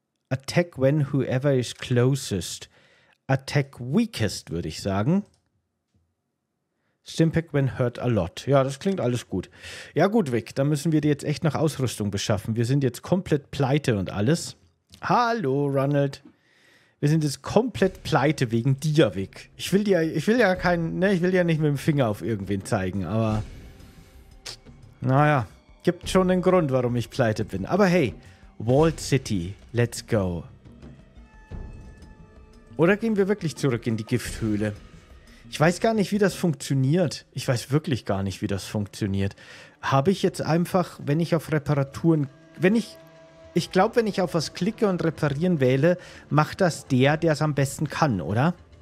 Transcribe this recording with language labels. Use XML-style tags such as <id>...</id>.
<en>Attack when whoever is closest. Attack weakest,</en> <de>würde ich sagen.</de> <en>Stimpack when hurt a lot.</en> <de>Ja, das klingt alles gut. Ja gut, Vic, dann müssen wir dir jetzt echt noch Ausrüstung beschaffen. Wir sind jetzt komplett pleite und alles. Hallo, Ronald. Wir sind jetzt komplett pleite wegen dir, Vic. Ich will ja nicht mit dem Finger auf irgendwen zeigen, aber naja, gibt schon einen Grund, warum ich pleite bin.</de> <en>Aber hey, Vault City, let's go.</en> <de>Oder gehen wir wirklich zurück in die Gifthöhle? Ich weiß gar nicht, wie das funktioniert. Ich weiß wirklich gar nicht, wie das funktioniert. Habe ich jetzt einfach, wenn ich auf Reparaturen... Ich glaube, wenn ich auf was klicke und Reparieren wähle, macht das der, der es am besten kann, oder?</de>